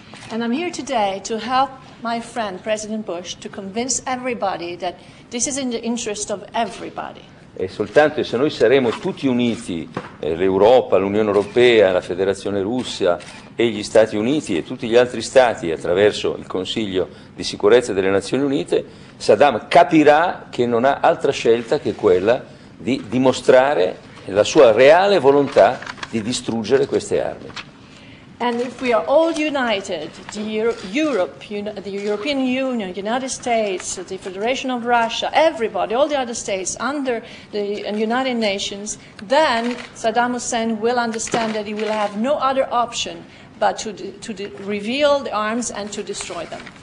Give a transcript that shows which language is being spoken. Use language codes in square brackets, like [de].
[en] And I'm here today to help my friend President Bush to convince everybody that this is in the interest of everybody. [it] E soltanto se noi saremo tutti uniti, l'Europa, l'Unione Europea, la Federazione Russa e gli Stati Uniti e tutti gli altri stati attraverso il Consiglio di sicurezza delle Nazioni Unite, Saddam capirà che non ha altra scelta che quella di dimostrare la sua reale volontà di distruggere queste armi. [en] And if we are all united, the European Union, United States, the Federation of Russia, everybody, all the other states under the United Nations, then Saddam Hussein will understand that he will have no other option but to reveal the arms and to destroy them.